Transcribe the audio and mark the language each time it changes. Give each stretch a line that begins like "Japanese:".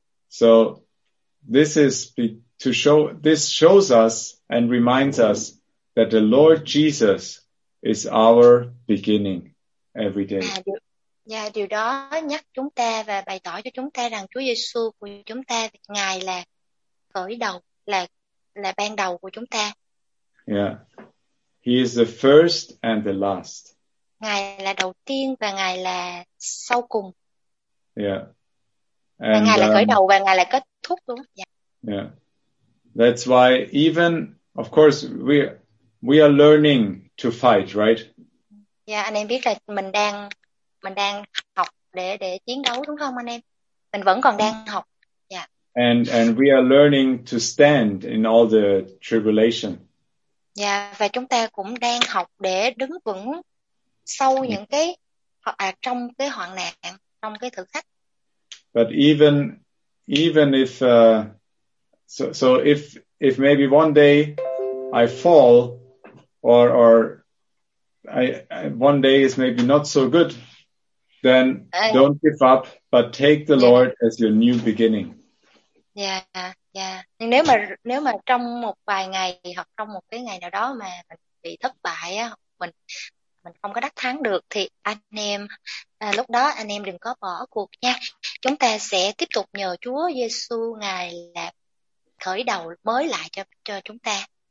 English: So this is to show, this shows us and reminds us that the Lord Jesus is our beginning every day.
Vietnamese: Điều đó nhắc chúng ta và bày tỏ cho chúng ta rằng Chúa Giêsu của chúng ta, Ngài là khởi đầu, là ban đầu của chúng ta.
English: Yeah. He is the first and the last.
Vietnamese: Ngài là đầu tiên và Ngài là sau cùng.
English: Yeah.
Vietnamese: And Ngài là khởi đầu và Ngài là kết thúc đúng không?
English: Yeah. Yeah. That's why even, of course, we are learning to fight, right?
Vietnamese: Yeah, anh em biết là mình đang học để chiến đấu đúng không anh em? Mình vẫn còn đang học. Yeah.
English: And we are learning to stand in all the tribulation.
Vietnamese: Yeah, và chúng ta cũng đang học để đứng vững sau những cái trong cái hoạn nạn, trong cái thử thách.
English: But even if So if maybe one day I fall or I one day is maybe not so good, then don't give up, but take the Lord as your new beginning. Yeah.
Vietnamese: Nếu mà trong một vài ngày hoặc trong một cái ngày nào đó mà mình bị thất bại á, mình không có đắc thắng được, thì anh em lúc đó anh em đừng có bỏ cuộc nha. Chúng ta sẽ tiếp tục nhờ Chúa Giêsu, Ngài là khởi đầu mới lại cho chúng ta.